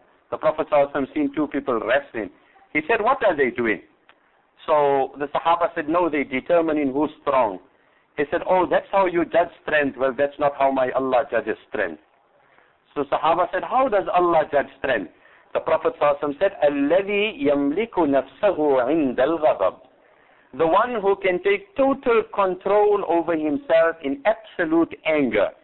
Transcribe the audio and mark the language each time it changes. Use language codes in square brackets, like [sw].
[en] The Prophet ﷺ seen two people wrestling. He said, what are they doing? So the Sahaba said, no, they're determining who's strong. He said, oh, that's how you judge strength. Well, that's not how my Allah judges strength. So Sahaba said, how does Allah judge strength? The Prophet ﷺ said, [ar] الَّذِي يَمْلِكُ نَفْسَهُ عِنْدَ الْغَضَبِ. [en] The one who can take total control over himself in absolute anger.